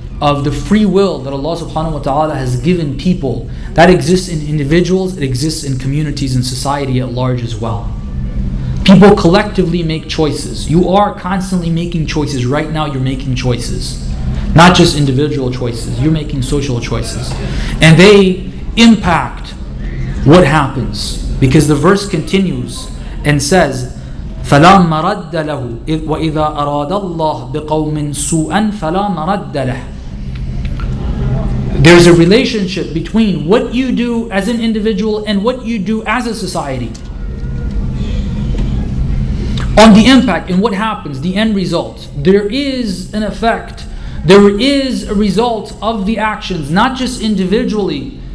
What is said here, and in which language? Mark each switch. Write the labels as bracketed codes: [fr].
[en] of the free will that Allah subhanahu wa ta'ala has given people, that exists in individuals, it exists in communities and society at large as well. People collectively make choices. You are constantly making choices. Right now you're making choices. Not just individual choices, you're making social choices. And they impact what happens. Because the verse continues and says, [ar] فَلَا مَرَدَّ لَهُ وَإِذَا أَرَادَ اللَّهُ بِقَوْمٍ سُوءًا فَلَا مَرَدَّ لَهُ. [en] There's a relationship between what you do as an individual and what you do as a society. On the impact and what happens, the end result, there is an effect. There is a result of the actions, not just individually.